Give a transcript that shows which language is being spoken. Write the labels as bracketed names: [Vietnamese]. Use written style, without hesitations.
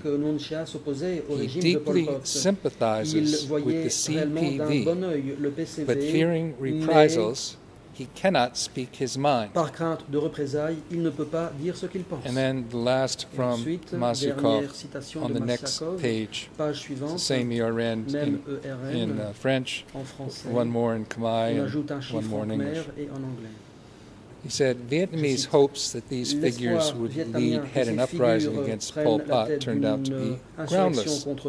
[English] He deeply sympathizes with the CPV, but fearing reprisals, he cannot speak his mind. [French] Par crainte de représailles, il ne peut pas dire ce qu'il pense. [English] And then the last from Mosyakov on the next page, same ERN in French, one more in Khmer, one more in English. He said, Vietnamese hopes that these figures would lead head an uprising against Pol Pot turned out to be groundless.